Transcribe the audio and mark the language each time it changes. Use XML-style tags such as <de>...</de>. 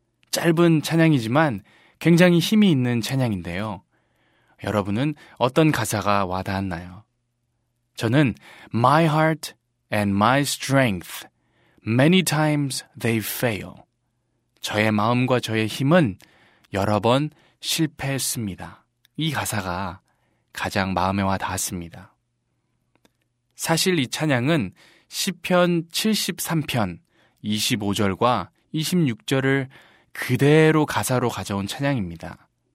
<ko>짧은 찬양이지만 굉장히 힘이 있는 찬양인데요. 여러분은 어떤 가사가 와닿았나요? 저는</ko> <en>My heart and my strength, many times they fail.</en> <ko>저의 마음과 저의 힘은 여러 번 실패했습니다. 이 가사가 가장 마음에 와닿았습니다. 사실 이 찬양은 시편 73편 25절과 26절을 그대로 가사로 가져온 찬양입니다.</ko>